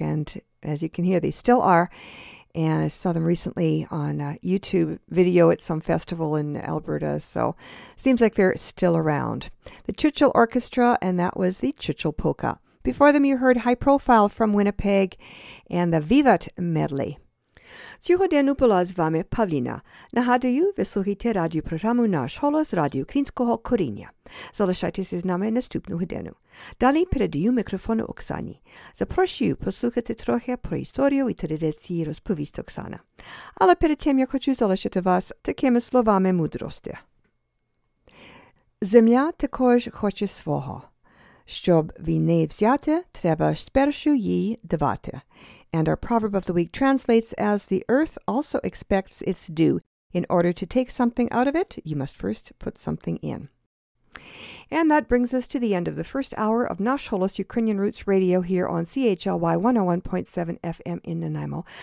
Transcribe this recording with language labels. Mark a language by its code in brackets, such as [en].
[en] And as you can hear, they still are. And I saw them recently on a YouTube video at some festival in Alberta. So seems like they're still around. The Chichol Orchestra, and that was the Chichol Polka. Before them, you heard High Profile from Winnipeg and the Vivat Medley. [uk] Цього дня була з вами Павліна. Нагадую, ви слухаєте радіопрограму «Наш голос» радіо Українського коріння. Залишайтеся з нами наступну годину. Далі передаю мікрофон Оксані. Запрошую послухати трохи про історію і традиції розповість Оксана. Але перед тим я хочу залишити вас такими словами мудрості. Земля також хоче свого. Щоб війни взяти, треба спершу їй давати. [en] And our proverb of the week translates as, the earth also expects its due. In order to take something out of it, you must first put something in. And that brings us to the end of the first hour of Nash Holos Ukrainian Roots Radio here on CHLY 101.7 FM in Nanaimo.